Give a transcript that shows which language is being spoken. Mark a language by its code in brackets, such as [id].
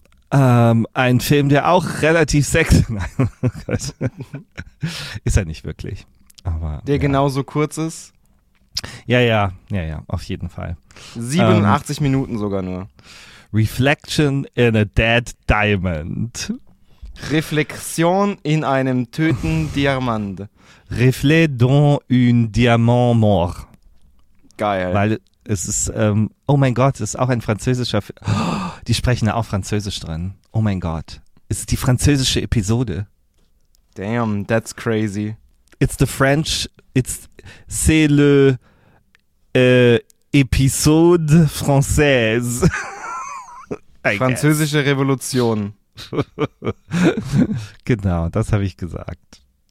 [de] Ein Film, der auch relativ sexy ist, er nicht wirklich. Aber, der genauso kurz ist? Ja, auf jeden Fall. 87 Minuten sogar nur. [en] Reflection in a Dead Diamond. [de] Reflexion in einem töten Diamant. [fr] Reflet dans un diamant mort. [de] Geil. Weil es ist, oh mein Gott, es ist auch ein französischer Film. Die sprechen da auch Französisch drin. Oh mein Gott. Es ist die französische Episode. [en] Damn, that's crazy. It's the French. [fr] C'est le Episode française. [de] Französische Revolution. Genau, das habe ich gesagt.